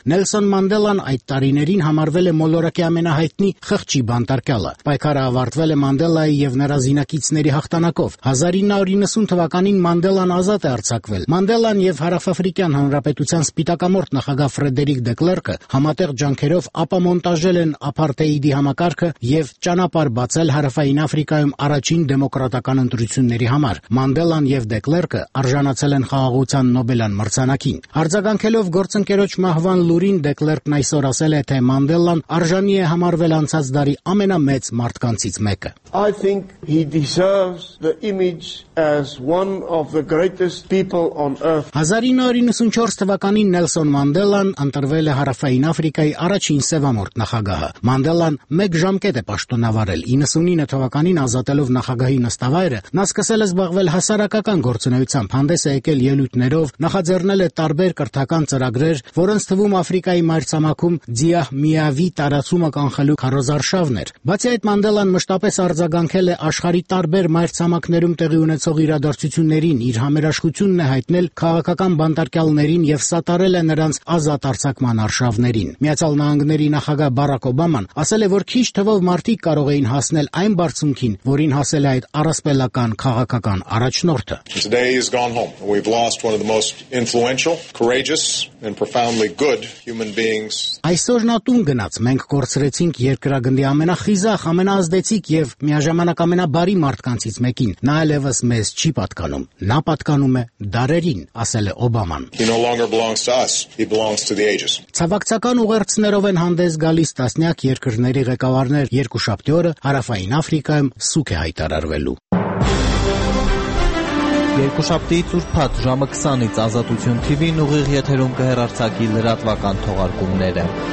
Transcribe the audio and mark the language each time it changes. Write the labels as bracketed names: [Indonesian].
[Armenian] Նելսոն Մանդելան այդ տարիներին համարվել է մոլորակի ամենահայտնի խղճի բանտարկյալը։ Պայքարը ավարտվել է Մանդելայի եւ նրա զինակիցների հաղթանակով։ 1990 թվականին Մանդելան ազատ է արձակվել։ Մանդելան եւ Հարավաֆրիկյան Հանրապետության սպիտակամորթ նախագահ Ֆրեդերիկ դե Կլերկը համատեղ ջանքերով ապամոնտաժել են ապարթեիդի համակարգը եւ ճանապարհ բացել Հարավային Աֆրիկայում առաջին դեմոկրատական ընտրությունների համար։ Մանդելան եւ դե Կլերկը արժանացել են խաղաղության Նոբելյան մրցանակին։ Արձագանքելով գործընկերոջ մահվան լուրին, դե Կլերկն այսօր ասել է, թե Մանդելան արժանի է համարվել անցած դարի ամենամեծ մարդկանցից մեկը։ [English] I think he deserves the image as one of the greatest people on earth. [Armenian] 1994 թվականին Նելսոն Մանդելան ընտրվել է Հարավային Աֆրիկայի առաջին սևամորթ նախագահը։ Մանդելան մեկ ժամկետ է պաշտոնավարել։ 99 թվականին ազատելով նախագահի նստավայրը, նա սկսել է զբաղվել հասարակական գործունեությամբ, հանդես է եկել ելույթներով, նախաձեռնել է տարբեր կրթական ծրագրեր, որոնց թվում Աֆրիկայի մայրցամաքում Ձիահ Միավի տարածումը կանխելու քարոզարշավն էր։ Բացի այդ, Մանդելան մշտապես արձագանքել է աշխարհի տարբեր մայրցամաքներում տեղի ունեցող իրադարձություններին, իր համերաշխությունն է հայտնել քաղաքական բանտարկյալներին եւ սատարել է նրանց ազատ արձակման արշավներին։ Միացյալ Նահանգների նախագահ Բարակ Օբաման ասել է, որ քիչ թվով մարդիկ կարող էին հասնել այն բարձունքին, որին հասել է այդ առասպելական քաղաքական առաջնորդը։ [English] Today he's gone home. We've lost one of the most influential, courageous and profoundly good human beings. [Armenian] Այսօր նա տուն գնաց, մենք կորցրեցինք երկրագնդի ամենախիզախ, ամենազդեցիկ եւ միաժամանակ ամենաբարի մարդկանցից մեկին։ Նա ելևս մեզ չի պատկանում, նա պատկանում է դարերին, ասել է Օբաման։ [English] He no longer belongs to us, he belongs to the ages. [Armenian] Ցավակցական ուղերձներով են հանդես գալիս տասնյակ երկրների ղեկավարներ երկու շաբթի օրը հարավային Աֆրիկայում սուկ է հայտարարվելու։ Երկու շաբթի ծուրփաթ ժամը 20-ից Ազատություն TV-ն ուղիղ եթերում կհեռարցակի լրատվական թողարկումները։